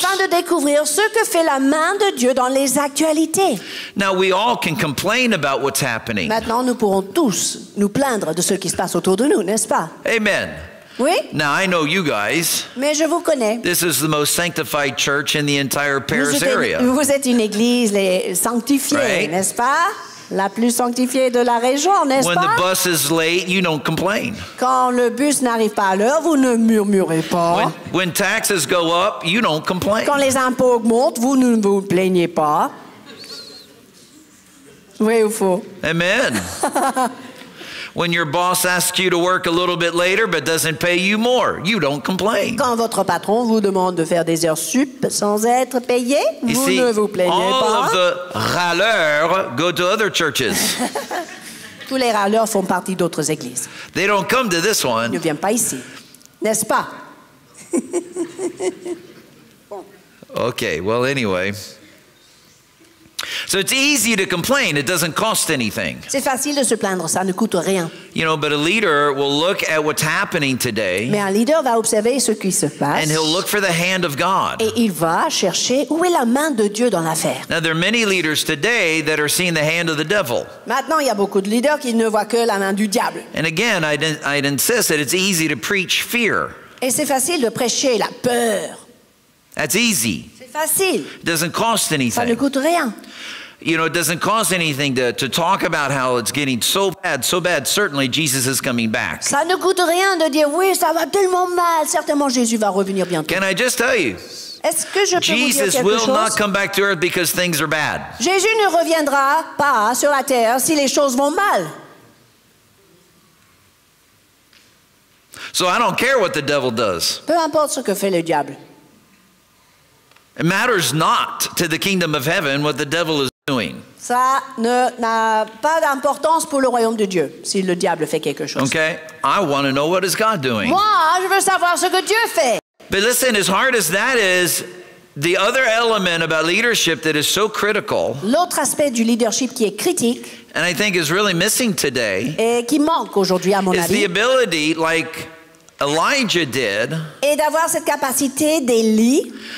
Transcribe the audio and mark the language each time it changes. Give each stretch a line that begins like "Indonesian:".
French: Afin de découvrir ce que fait la main de Dieu dans les actualités.
English: Now we all can complain about what's happening.
French: Maintenant nous pourrons tous nous plaindre de ce qui se passe autour de nous, n'est-ce pas?
English: Amen.
French: Oui?
English: Now I know you guys.
French: Mais je vous connais.
English: This is the most sanctified church in the entire Paris area.
French: Vous êtes une église sanctifiée,
English: right?
French: N'est-ce pas? La plus sanctifiée de la région, n'est-ce
English: When
French: pas?
English: When the bus is late, you don't complain.
French: Quand le bus n'arrive pas à l'heure, vous ne murmurez pas.
English: When taxes go up, you don't complain.
French: Quand les impôts augmentent, vous ne vous plaignez pas. Oui ou faux?
English: Amen. When your boss asks you to work a little bit later but doesn't pay you more, you don't complain.
French: Quand votre patron vous demande de faire des heures sup sans être payé,
English: you
French: vous
English: see,
French: ne vous plaignez
English: all
French: pas.
English: All of the râleurs go to other churches.
French: Tous les râleurs font partie d'autres églises.
English: They don't come to this one.
French: Ils ne viennent pas ici, n'est-ce pas?
English: Okay, well anyway. So it's easy to complain. It doesn't cost anything.
French: C'est facile de se plaindre, ça ne coûte rien.
English: You know, but a leader will look at what's happening today.
French: Mais un leader va observer ce qui se passe.
English: And he'll look for the hand of God.
French: Et il va chercher où est la main de Dieu dans l'affaire.
English: Now there are many leaders today that are seeing the hand of the devil.
French: Maintenant, il y a beaucoup de leaders qui ne voient que la main du diable.
English: And again, I'd insist that it's easy to preach fear.
French: Et c'est facile de prêcher la peur.
English: That's easy.
French: C'est facile.
English: It doesn't cost anything.
French: Ça ne coûte rien.
English: You know, it doesn't cost anything to talk about how it's getting so bad, certainly Jesus is coming back.
French: Ça ne coûte rien de dire, oui, ça va tellement mal, certainement Jésus va revenir bientôt.
English: Can I just tell you?
French: Est-ce que je peux
English: Jesus
French: vous dire
English: will
French: chose?
English: Not come back to earth because things are bad.
French: Jésus ne reviendra pas sur la terre si les choses vont mal.
English: So I don't care what the devil does.
French: Peu importe ce que fait le diable.
English: It matters not to the kingdom of heaven what the devil is doing.
French: Ça n'a pas d'importance pour le royaume de Dieu si le diable fait quelque chose.
English: Okay, I want to know what is God doing.
French: Moi, je veux savoir ce que Dieu fait.
English: But listen, as hard as that is, the other element about leadership that is so critical.
French: L'autre aspect du leadership qui est critique.
English: And I think is really missing today.
French: Et qui manque aujourd'hui à mon avis.
English: Is the ability like Elijah did.
French: Et d'avoir cette capacité d'Élie.